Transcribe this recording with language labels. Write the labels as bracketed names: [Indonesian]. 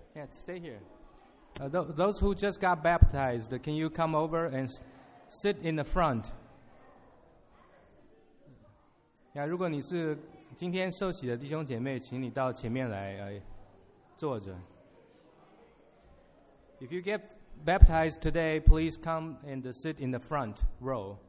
[English] Stay here. Those who just got baptized, can you come over and sit in the front? [Chinese] Yeah, 如果你是今天受洗的弟兄姐妹，请你到前面来，坐着。 [English] If you get baptized today, please come and sit in the front row.